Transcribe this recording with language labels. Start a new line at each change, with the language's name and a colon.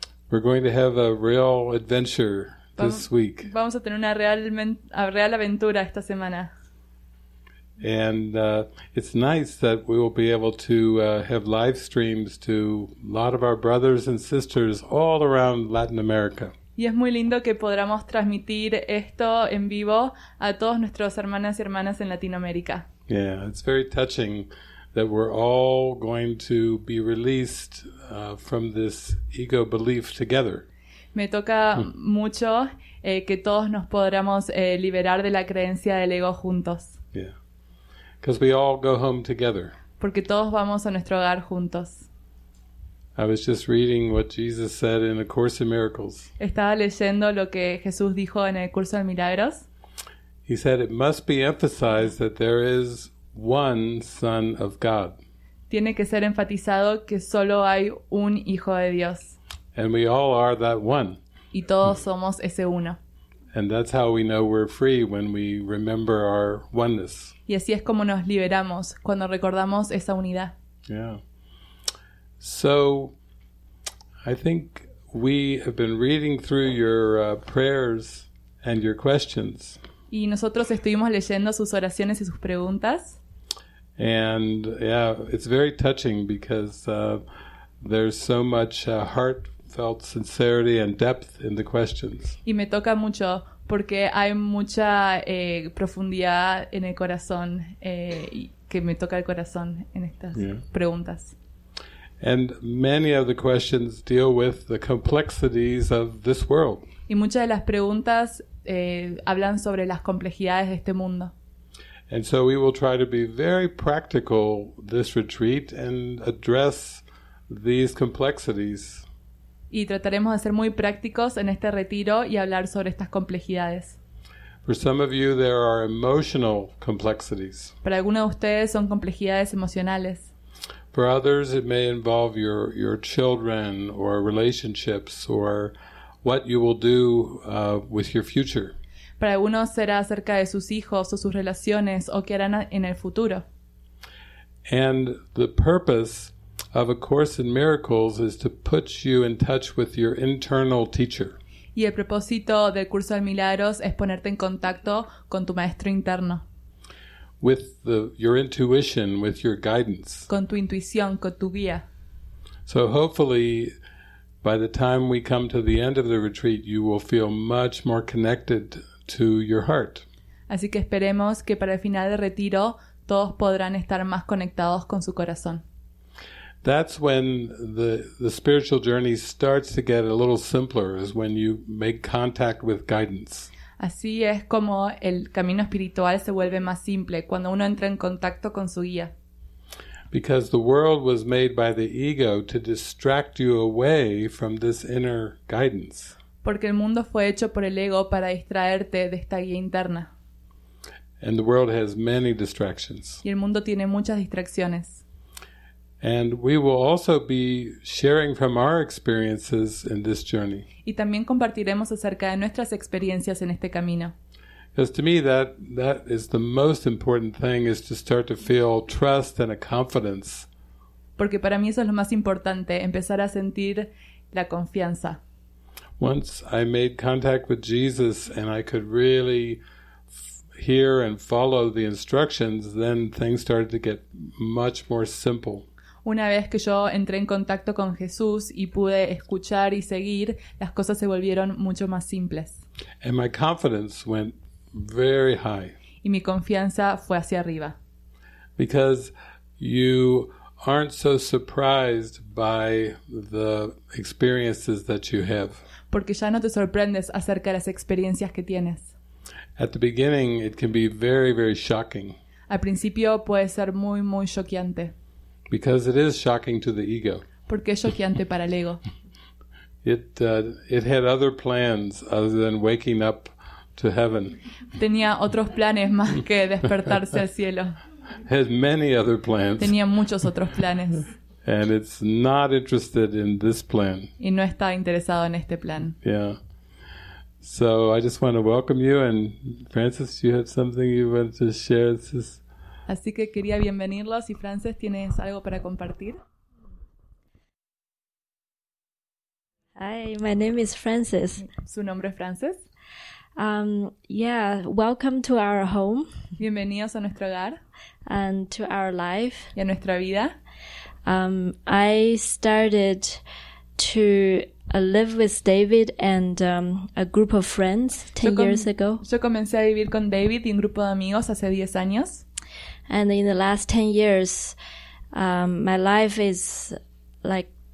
English: We're going to have a real adventure this week.
Spanish: Vamos a tener una real aventura esta semana.
English: And it's nice that we will be able to have live streams to a lot of our brothers and sisters all around Latin America.
Spanish: Y es muy lindo que podamos transmitir esto en vivo a todos nuestros hermanas y hermanas en Latinoamérica.
English: Yeah, it's very touching that we're all going to be released from this ego belief together.
Spanish: me toca mucho que todos nos podamos liberar de la creencia del ego juntos.
English: Yeah. 'Cause we all go home together.
Spanish: Porque todos vamos a nuestro hogar juntos.
English: I was just reading what Jesus said in A Course in Miracles.
Spanish: Estaba leyendo lo que Jesús dijo en el curso de milagros.
English: He said it must be emphasized that there is one Son of God.
Spanish: Tiene que ser enfatizado que solo hay un Hijo de Dios.
English: And we all are that one.
Spanish: Y todos somos ese uno.
English: And that's how we know we're free, when we remember our oneness.
Spanish: Y así es como nos liberamos, cuando recordamos esa unidad.
English: Yeah. So, I think we have been reading through your prayers and your questions.
Spanish: Y nosotros estuvimos leyendo sus oraciones y sus preguntas.
English: And yeah, it's very touching because there's so much heartfelt sincerity and depth in the questions.
Spanish: Y me toca mucho porque hay mucha profundidad en el corazón, que me toca el corazón en estas preguntas.
English: And many of the questions deal with the complexities of this world.
Spanish: Y muchas de las preguntas hablan sobre las complejidades de este mundo.
English: And so we will try to be very practical this retreat and address these complexities.
Spanish: Y trataremos de ser muy prácticos en este retiro y hablar sobre estas complejidades.
English: For some of you, there are emotional complexities.
Spanish: Para algunos de ustedes son complejidades emocionales.
English: For others, it may involve your children or relationships or what you will do with your future.
Spanish: Para algunos será acerca de sus hijos o sus relaciones o qué harán en el futuro.
English: And the purpose of A Course in Miracles is to put you in touch with your internal teacher.
Spanish: Y el propósito del curso de milagros es ponerte en contacto con tu maestro interno.
English: With your intuition, with your guidance.
Spanish: Con tu intuición, con tu guía.
English: So hopefully, by the time we come to the end of the retreat, you will feel much more connected to your heart.
Spanish: Así que esperemos que para el final del retiro todos podrán estar más conectados con su corazón.
English: That's when the spiritual journey starts to get a little simpler, is when you make contact with guidance.
Spanish: Así es como el camino espiritual se vuelve más simple cuando uno entra en contacto con su guía.
English: Because the world was made by the ego to distract you away from this inner guidance.
Spanish: Porque el mundo fue hecho por el ego para distraerte de esta guía interna.
English: And the world has many distractions.
Spanish: Y el mundo tiene muchas distracciones.
English: And we will also be sharing from our experiences in this journey.
Spanish: Y también compartiremos acerca de nuestras experiencias en este camino.
English: Because to me, that is the most important thing, is to start to feel trust and a confidence.
Spanish: Porque para mí eso es lo más importante, empezar a sentir la confianza.
English: Once I made contact with Jesus and I could really hear and follow the instructions, then things started to get much more simple.
Spanish: Una vez que yo entré en contacto con Jesús y pude escuchar y seguir, las cosas se volvieron mucho más simples.
English: And my confidence went very high.
Spanish: Y mi confianza fue hacia arriba.
English: Because you aren't so surprised by the experiences that you have.
Spanish: Porque ya no te sorprendes acerca de las experiencias que tienes.
English: At the beginning, it can be very, very shocking.
Spanish: Al principio puede ser muy, muy shockeante.
English: Because it is shocking to the ego.
Spanish: Porque es shockeante para el ego.
English: It had other plans other than waking up to heaven.
Spanish: Tenía otros planes más que despertarse al cielo.
English: Has many other plans.
Spanish: Tenía muchos otros planes.
English: And it's not interested in this plan.
Spanish: Y no está interesado en este plan.
English: Yeah. So I just want to welcome you. And Francis, you have something you want to share?
Spanish: Así que quería bienvenirlos. Y Francis, ¿tienes algo para compartir?
English: Hi, my name is Francis.
Spanish: ¿Su nombre es Francis?
English: Yeah, welcome to our home.
Spanish: Bienvenidos a nuestro hogar.
English: And to our life.
Spanish: Y a nuestra vida.
English: I started to live with David and a group of friends 10 years ago.
Spanish: Yo comencé a vivir con David y un grupo de amigos hace 10 años.
English: And in the last 10 years, my life is like